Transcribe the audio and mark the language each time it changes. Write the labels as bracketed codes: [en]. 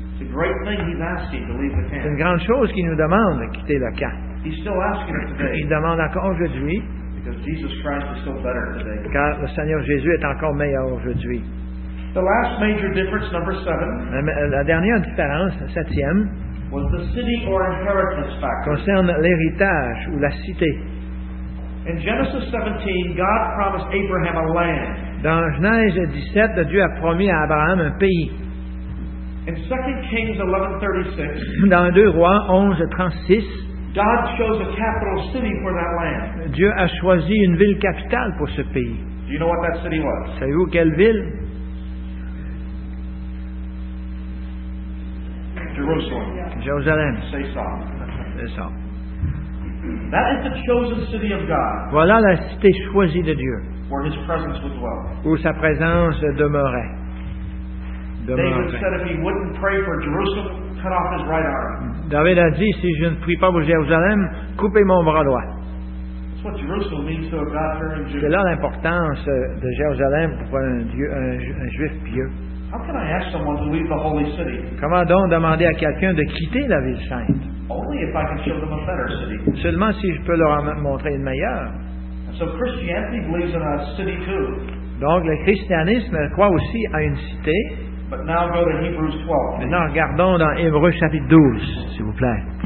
[en] It's a great thing he's asking to leave the camp. [fr] C'est une grande chose qu'il nous demande de quitter le camp. [en] He's still asking it today. [fr] Il demande encore aujourd'hui. [en] Because Jesus Christ is still better today. [fr] Car le Seigneur Jésus est encore meilleur aujourd'hui. [en] The last major difference, number seven, [fr] la dernière différence, septième, [en] was the city or inheritance factor. [fr] Concerne l'héritage ou la cité. [en] In Genesis 17, God promised Abraham a land. [fr] Dans Genèse 17, Dieu a promis à Abraham un pays. [en] In 2 Kings 11:36, [fr] dans 2 Rois 11:36, [en] God chose a capital city for that land. [fr] Dieu a choisi une ville capitale pour ce pays. [en] Do you know what that city was? [fr] Savez-vous quelle ville? [en] Jerusalem. [fr] Jérusalem. [en] That is the chosen city of God. [fr] Voilà la cité choisie de Dieu. [en] Where his presence would dwell. [fr] Où sa présence demeurait. [en] David said if he wouldn't pray for Jerusalem, cut off his right arm. [fr] David a dit si je ne prie pas pour Jérusalem, coupez mon bras droit. [en] That's what Jerusalem means to a God-fearing Jew. [fr] C'est là l'importance de Jérusalem pour un Dieu, un juif pieux. [en] How can I ask someone to leave the holy city? [fr] Comment donc demander à quelqu'un de quitter la ville sainte? [en] Only if I can show them a better city. [fr] Seulement si je peux leur montrer une meilleure. [en] So Christianity believes in a city too. [fr] Donc le christianisme croit aussi à une cité. [en] But now go to Hebrews 12. [fr] Maintenant regardons dans Hébreux chapitre 12, s'il vous plaît.